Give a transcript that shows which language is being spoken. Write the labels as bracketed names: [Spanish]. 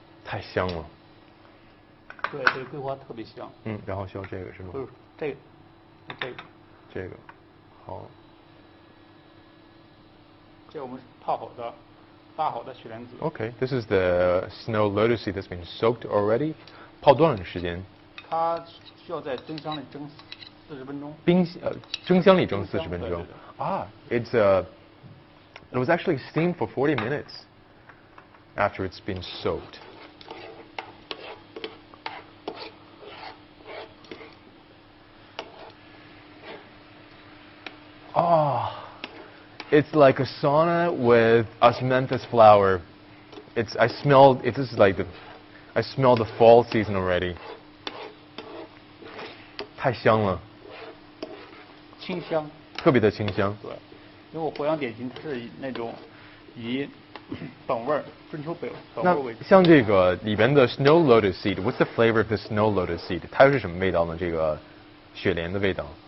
[English] Okay, this is the snow lotus seed that's been soaked already. [Chinese] 泡多长时间? 它需要在蒸箱里蒸40分钟。 [English] It was actually steamed for 40 minutes after it's been soaked. Oh, it's like a sauna with osmanthus flower. I smell the fall season already. [Chinese] 太香了。清香。特别的清香。对。因为我回想点心是那种以本味儿，春秋本味。那像这个里边的 [English] snow lotus seed, what's the flavor of the snow lotus seed? [Chinese] 它有什么味道呢？这个雪莲的味道。